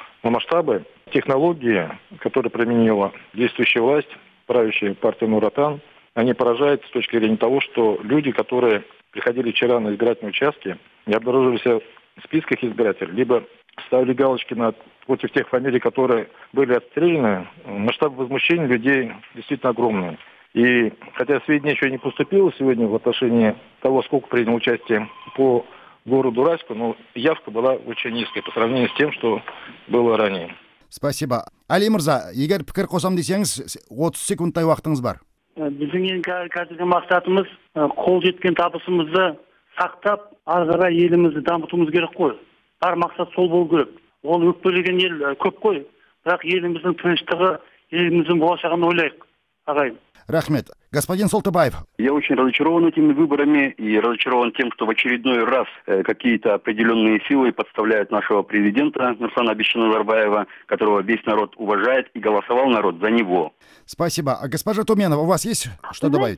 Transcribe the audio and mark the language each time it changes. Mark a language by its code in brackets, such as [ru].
[ru] Но масштабы, технологии, которые применила действующая власть, правящая партия Нур-Отан, они поражают с точки зрения того, что люди, которые приходили вчера на избирательные участки и обнаружились в списках избирателей, либо ставили галочки против тех фамилий, которые были отстреляны, масштаб возмущения людей действительно огромный. И хотя сведений еще не поступило сегодня в отношении того, сколько принял участие по городу Уральску, но явка была очень низкая по сравнению с тем, что было ранее. Спасибо. [kk] Али Мырза, егер пікір қосам десеңіз, 30 секундтай уақытыңыз бар. Біздің ең қазіргі мақсатымыз қол жеткен табысымызды сақтап, ары қарай елімізді дамытуымыз керек қой. Бар мақсат сол болу керек. Ол өкпелеген ел көп қой. Бірақ еліміздің тыныштығы, еліміздің болашағын ойлайық. Ағайын. Рахмет. [ru] Господин Солтабаев. Я очень разочарован этими выборами и разочарован тем, что в очередной раз какие-то определенные силы подставляют нашего президента Нурсана Абишевича Назарбаева, которого весь народ уважает и голосовал народ за него. Спасибо. А госпожа Туменова, у вас есть что добавить?